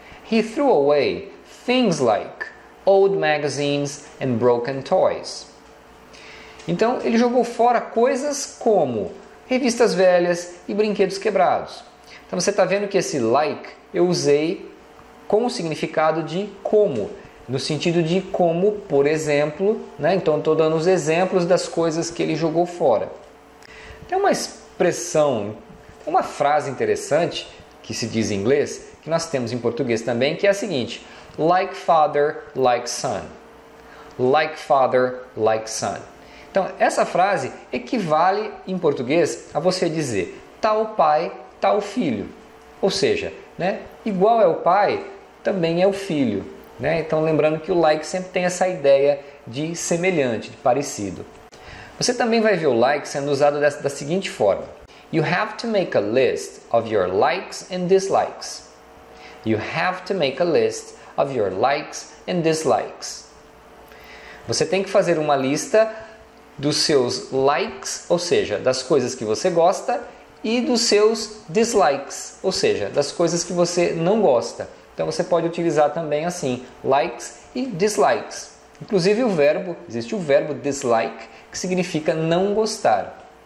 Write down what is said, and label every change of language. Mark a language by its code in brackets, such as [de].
[en] He threw away things like old magazines and broken toys. [pt] Então, ele jogou fora coisas como revistas velhas e brinquedos quebrados. Então, você está vendo que esse like eu usei com o significado de como, no sentido de como, por exemplo, né? Então, estou dando os exemplos das coisas que ele jogou fora. Tem uma expressão, uma frase interessante que se diz em inglês, que nós temos em português também, que é a seguinte: [en] like father, like son. Like father, like son. [pt] Então, essa frase equivale em português a você dizer tal pai, tal filho. Ou seja, né, igual é o pai, também é o filho, né? Então, lembrando que o like sempre tem essa ideia de semelhante, de parecido. Você também vai ver o like sendo usado da seguinte forma: [en] you have to make a list of your likes and dislikes. You have to make a list of your likes and dislikes. [pt] Você tem que fazer uma lista dos seus likes, ou seja, das coisas que você gosta, e dos seus dislikes, ou seja, das coisas que você não gosta. Então, você pode utilizar também assim, likes e dislikes. Inclusive, existe o verbo dislike, que significa não gostar.